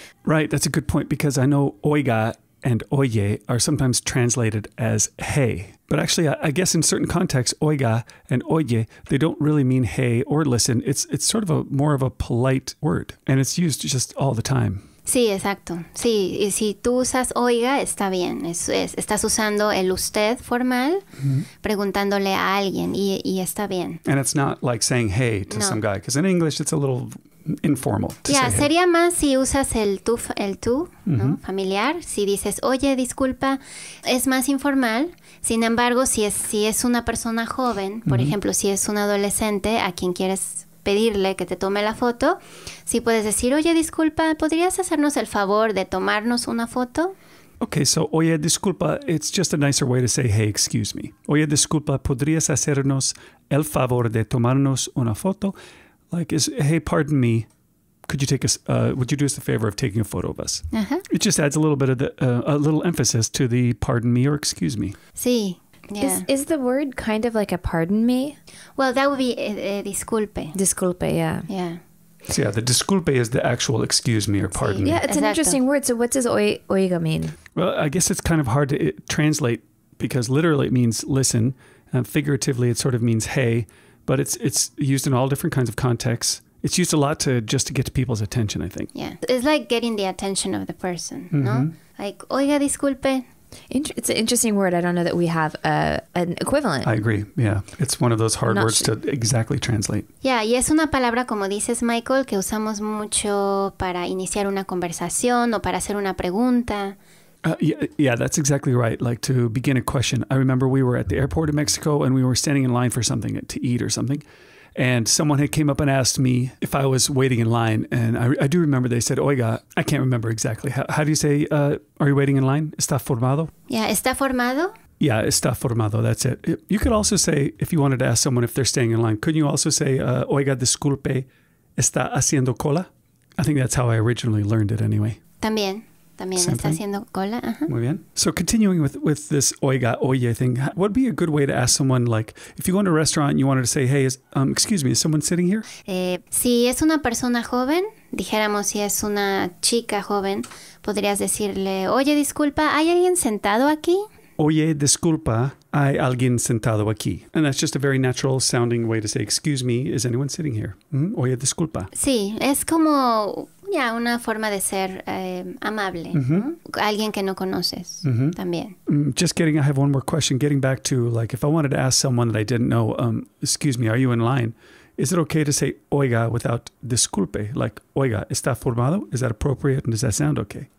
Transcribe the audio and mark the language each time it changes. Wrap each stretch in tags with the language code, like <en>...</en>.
<en>Right, that's a good point, because I know oiga and oye are sometimes translated as hey. But actually, I guess in certain contexts, oiga and oye, they don't really mean hey or listen. It's sort of a more of a polite word, and it's used just all the time.</en> <es>Sí, exacto. Sí, y si tú usas oiga, está bien. Estás usando el usted formal, preguntándole a alguien, y está bien.</es> <en>And it's not like saying hey to some guy, because in English, it's a little... informal.</en> <es>Hey. Sería más si usas el tú, ¿no? Familiar. Si dices, oye, disculpa, es más informal. Sin embargo, si es una persona joven, por ejemplo, si es un adolescente a quien quieres pedirle que te tome la foto, si puedes decir, oye, disculpa, ¿podrías hacernos el favor de tomarnos una foto?</es> <en>Okay, so,</en> <es>oye, disculpa,</es> <en>it's just a nicer way to say, hey, excuse me.</en> <es>Oye, disculpa, ¿podrías hacernos el favor de tomarnos una foto?</es> <en>Like, hey, pardon me, would you do us the favor of taking a photo of us? Uh-huh. It just adds a little bit of a little emphasis to the pardon me or excuse me.</en> <es>Sí,</es> <en>Yeah. Is the word kind of like a pardon me? Well, that would be disculpe. Disculpe, yeah. Yeah. So yeah, the disculpe is the actual excuse me or pardon me. Yeah, it's exacto. An interesting word. So what does oiga mean? Well, I guess it's kind of hard to translate because literally it means listen. And figuratively, it sort of means hey. But it's used in all different kinds of contexts. It's used a lot to just to get people's attention, I think. Yeah, it's like getting the attention of the person, mm-hmm. no? Like,</en> <es>oiga, disculpe.</es> <en>It's an interesting word. I don't know that we have an equivalent. I agree. Yeah. It's one of those hard words to exactly translate. Yeah.</en> <es>Y es una palabra, como dices, Michael, que usamos mucho para iniciar una conversación o para hacer una pregunta.</es> <en>Yeah, that's exactly right. Like to begin a question. I remember we were at the airport in Mexico and we were standing in line for something to eat or something. And someone had came up and asked me if I was waiting in line. And I do remember they said, oiga, I can't remember exactly. How do you say, are you waiting in line?</en> <es>¿Está formado? Yeah, ¿está formado?</es> <en>Yeah,</en> <es>¿está formado?</es> <en>That's it. You could also say, if you wanted to ask someone if they're staying in line, couldn't you also say,</en> <es>oiga, disculpe, ¿está haciendo cola?</es> <en>I think that's how I originally learned it anyway.</en> <es>También. También está haciendo cola. Uh-huh. Muy bien.</es> <en>So continuing with this oiga, oye thing, what would be a good way to ask someone, like, if you go to a restaurant and you wanted to say, hey, excuse me, is someone sitting here?</en> <es>Si es una persona joven, dijéramos si es una chica joven, podrías decirle, oye, disculpa, ¿hay alguien sentado aquí? Oye, disculpa, ¿hay alguien sentado aquí?</es> <en>And that's just a very natural sounding way to say, excuse me, is anyone sitting here?</en> <es>Mm-hmm. Oye, disculpa. Sí, es como ya una forma de ser amable, mm-hmm. ¿no? Alguien que no conoces mm-hmm. también.</es> <en>Just kidding, I have one more question. Getting back to, like, if I wanted to ask someone that I didn't know, excuse me, are you in line? Is it okay to say oiga without disculpe? Like,</en> <es>oiga, ¿está formado?</es> <en>Is that appropriate and does that sound okay?</en>